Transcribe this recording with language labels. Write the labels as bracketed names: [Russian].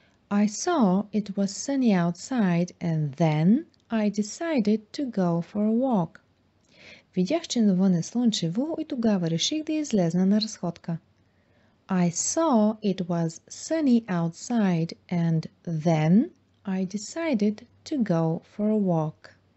[English] I saw it was sunny outside and then I decided to go for a walk. [Bulgarian] Видях, че навън е слънчево и тогава реших да излезна на разходка. [English] I saw it was sunny outside and then I decided to go for a walk.